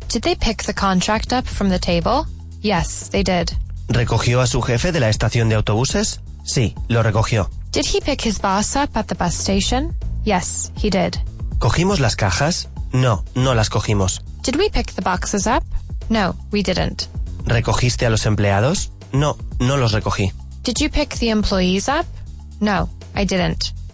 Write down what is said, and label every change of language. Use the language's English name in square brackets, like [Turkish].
[English] Did they pick the contract up from the table? Yes, they did. [Spanish] ¿Recogió a su jefe de la estación de autobuses? Sí, lo recogió. [English] Did he pick his boss up at the bus station? Yes, he did. [Spanish] ¿Cogimos las cajas? No, no las cogimos. [English] Did we pick the boxes up? No, we didn't. [Spanish] ¿Recogiste a los empleados? No, no los recogí. [English] Did you pick the employees up? No, I didn't.